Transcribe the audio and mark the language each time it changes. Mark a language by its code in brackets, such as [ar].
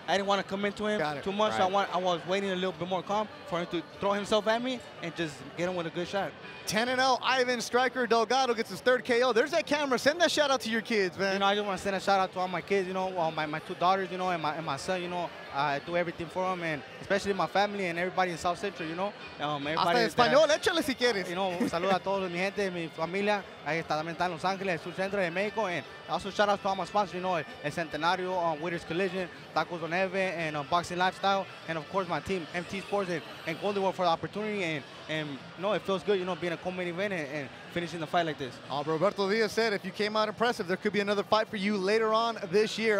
[en] I didn't want to come into him too much. Right. I was waiting a little bit more calm for him to throw himself at me and just get him with a good shot. 10-0, Ivan Stryker Delgado gets his third KO. There's that camera. Send that shout out to your kids, man. You know, I just want to send a shout out to all my kids, you know, well, my two daughters, you know, and my son, you know. I do everything for them, and especially my family and everybody in South Central, you know. [es] Hasta español, échale si quieres. [en] You know, [es] saludos a todos mi gente, mi familia. Ahí está, también está en Los Ángeles, Sur Central de México. [en] And also shout out to all my sponsors, you know, El Centenario, Winners Collision, Tacos Don Eve, and Boxing Lifestyle, and of course my team, MT Sports, and Golden World for the opportunity. And you know, it feels good, you know, being a co-main event and finishing the fight like this. Roberto Diaz said, if you came out impressive, there could be another fight for you later on this year.